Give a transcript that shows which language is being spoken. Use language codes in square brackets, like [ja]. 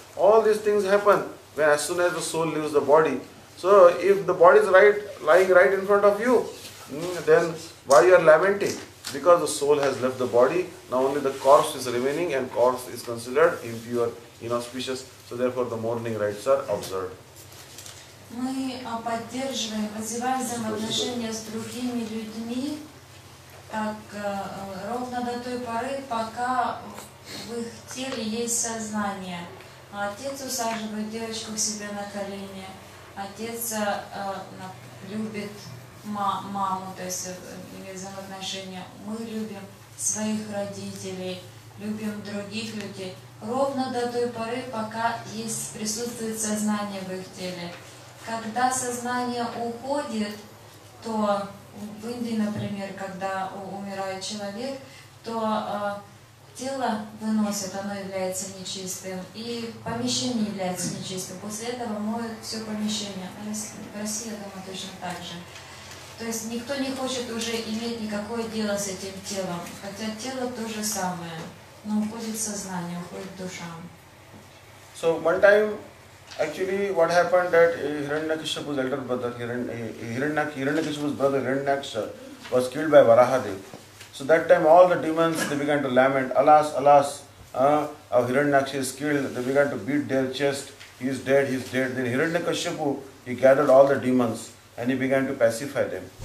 [en] All these things happen when as soon as the soul leaves the body. So if the body is right lying right in front of you, then why you are lamenting? Because the soul has left the body, now only the corpse is remaining and corpse is considered impure, inauspicious. So therefore the mourning rites are observed. [ru] Мы поддерживаем, развиваем взаимоотношения с другими людьми так, ровно до той поры, пока в их теле есть сознание. Отец усаживает девочку к себе на колени, отец любит маму, то есть взаимоотношения. Мы любим своих родителей, любим других людей, ровно до той поры, пока есть присутствует сознание в их теле. Когда сознание уходит, то в Индии, например, когда умирает человек, то тело выносит, оно является нечистым, и помещение является нечистым. После этого моют все помещение. В России, я думаю, точно так же. То есть никто не хочет уже иметь никакое дело с этим телом, хотя тело то же самое, но уходит сознание, уходит душа. [en] So, one time... Actually, what happened that Hiranyakashipu's elder brother, Hiranyakashipu's brother Hiranyaksha, was killed by Varahadev. So that time all the demons, they began to lament, alas, alas, our Hiranyaksha is killed. They began to beat their chest, he is dead. Then Hiranyakashipu, he gathered all the demons and he began to pacify them.